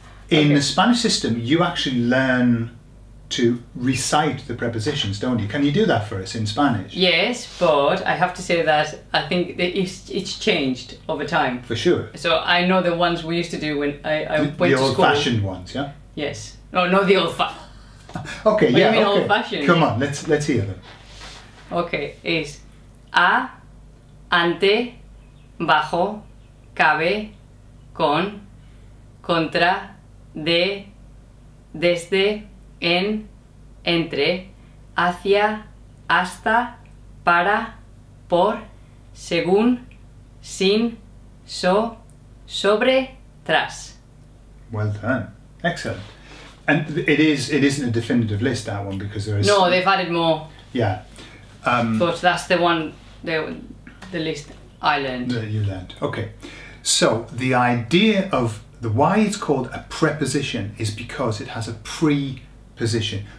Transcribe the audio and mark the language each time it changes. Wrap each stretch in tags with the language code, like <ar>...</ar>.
<en>The Spanish system, you actually learn to recite the prepositions, don't you? Can you do that for us in Spanish? Yes, but I have to say that I think that it's changed over time. For sure. So I know the ones we used to do when I went to school. The old-fashioned ones, yeah? Yes. No, not the old-fashioned. Okay, what yeah, do you mean okay. old-fashioned? Come on, let's hear them. Okay, is</en> <es>a, ante, bajo, cabe, con, contra, de, desde, en, entre, hacia, hasta, para, por, según, sin, so, sobre, tras.</es> <en>Well done. Excellent. And it isn't a definitive list, that one, because there is... No, they've added more. Yeah. But that's the one, the list... I learned. You learned. Okay. So the idea of why it's called a preposition is because it has a preposition.</en>